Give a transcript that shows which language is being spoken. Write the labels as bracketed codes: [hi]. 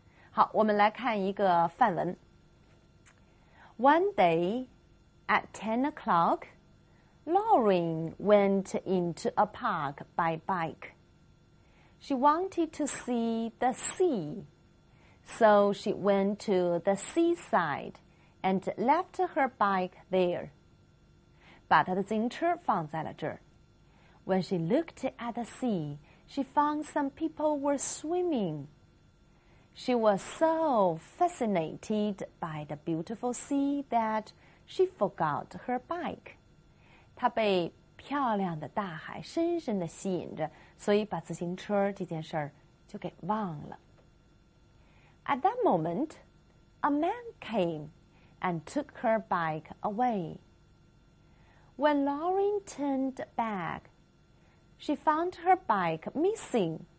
[zh] 好，我们来看一个范文。 [en] One day at 10 o'clock, Lauren went into a park by bike. She wanted to see the sea. So she went to the seaside and left her bike there. [zh] 把她的自行车放在了这儿。 [en] When she looked at the sea, she found some people were swimming. She was so fascinated by the beautiful sea that she forgot her bike. [zh] 她被漂亮的大海深深地吸引着，所以把自行车这件事就给忘了。 [en] At that moment, a man came and took her bike away. When Lauren turned back, she found her bike missing.